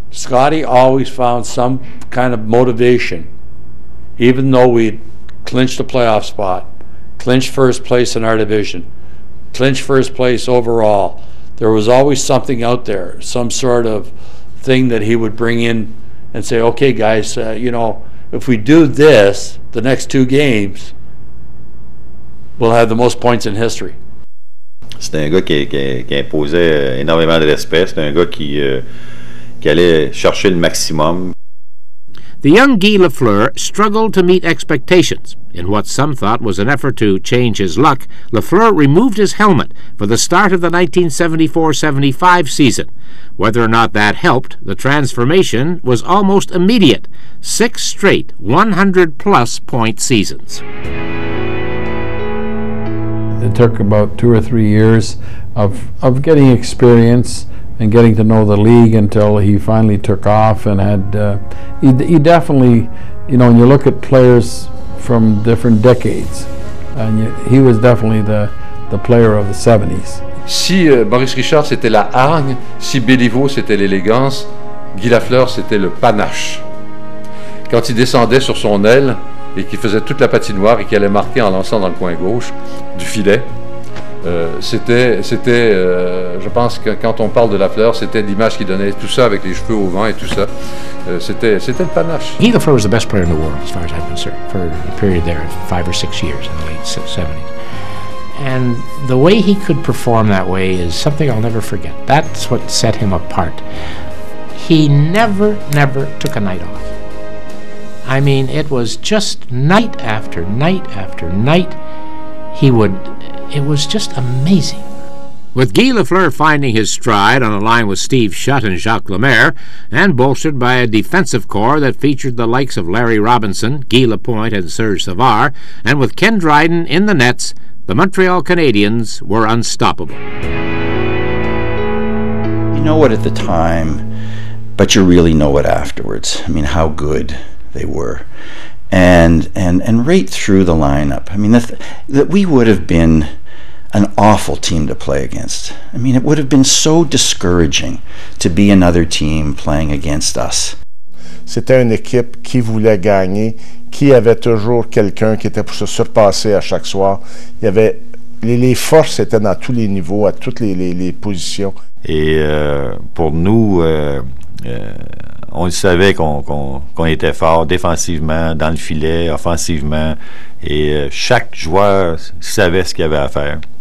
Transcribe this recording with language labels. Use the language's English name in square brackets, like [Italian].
[English] Scotty always found some kind of motivation, even though we clinched a playoff spot, clinched first place in our division, clinched first place overall. There was always something out there, some sort of thing that he would bring in and say, okay guys, if we do this, the next two games, we'll have the most points in history. [French] C'était un gars qui imposait énormément de respect. C'était un gars qui allait chercher le maximum. [English] The young Guy Lafleur struggled to meet expectations. In what some thought was an effort to change his luck, Lafleur removed his helmet for the start of the 1974-75 season. Whether or not that helped, the transformation was almost immediate. Six straight 100-plus point seasons. It took about two or three years of getting experience and getting to know the league until he finally took off and had, he definitely, you know, when you look at players from different decades, and he was definitely the player of the 70s. [French] Si Boris Richard c'était la hargne, si Béliveau c'était l'élégance, Guy Lafleur c'était le panache. Quand il descendait sur son aile et qu'il faisait toute la patinoire et qu'il allait marquer en lançant dans le coin gauche du filet, C'était, je pense que quand on parle de Lafleur, c'était l'image qu'il donnait, tout ça avec les cheveux au vent et tout ça. C'était le panache. [English] Guy Lafleur was the best player in the world, as far as I'm concerned, for a period there of 5 or 6 years in the late 70s. And the way he could perform that way is something I'll never forget. That's what set him apart. He never, never took a night off. I mean, it was just night after night after night. It was just amazing. With Guy Lafleur finding his stride on a line with Steve Shutt and Jacques Lemaire, and bolstered by a defensive corps that featured the likes of Larry Robinson, Guy Lapointe, and Serge Savard, and with Ken Dryden in the nets, the Montreal Canadiens were unstoppable. You know it at the time, but you really know it afterwards. I mean, how good they were. And right through the lineup, I mean, that we would have been an awful team to play against. I mean, it would have been so discouraging to be another team playing against us. [French] C'était une équipe qui voulait gagner, qui avait toujours quelqu'un qui était pour se surpasser à chaque soir. Il y avait les forces étaient dans tous les niveaux, à toutes les positions. Et pour nous, on savait qu'on était fort défensivement, dans le filet, offensivement, et chaque joueur savait ce qu'il avait à faire.